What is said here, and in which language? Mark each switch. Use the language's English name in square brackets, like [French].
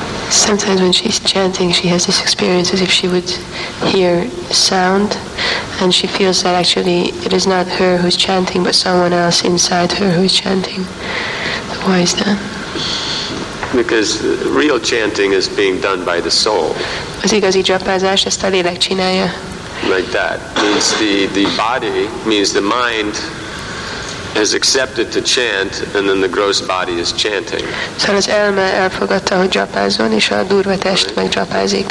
[English] Sometimes when she's chanting, she has this experience as if she would hear sound, and she feels that actually it is not her who's chanting, but someone else inside her who's chanting. Why is that? Because real chanting is being done by the soul. [Hungarian] Az igazi japázás ezt a lélek csinálja. [English] Like that means the body means the mind has accepted to chant, and then the gross body is chanting. [Hungarian] So az elme elfogadta, hogy japázzon, és a durva test meg japázik.